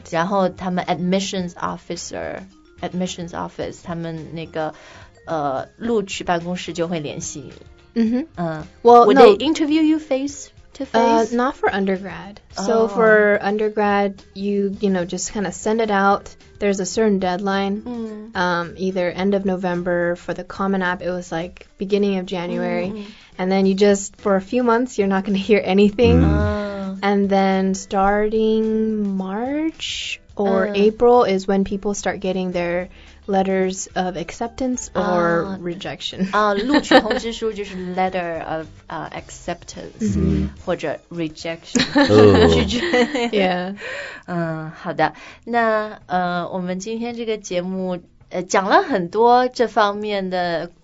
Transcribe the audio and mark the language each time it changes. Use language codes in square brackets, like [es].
[zh] 然后他们 admissions office 他们那个录取办公室就会联系你、 [en] Well, would they interview you face to face? Not for undergrad. So for undergrad, you know, just kind of send it out. There's a certain deadline,、either end of November for the Common App. It was like beginning of January.、And then you just, for a few months, you're not going to hear anything.、And then starting March or、April is when people start getting their... letters of acceptance or rejection. [zh] 录取通知书就是 letter of acceptance、或者 rejection. 拒绝。 [en] Yeah. [zh] 好的。那我们今天这个节目讲了很多这方面的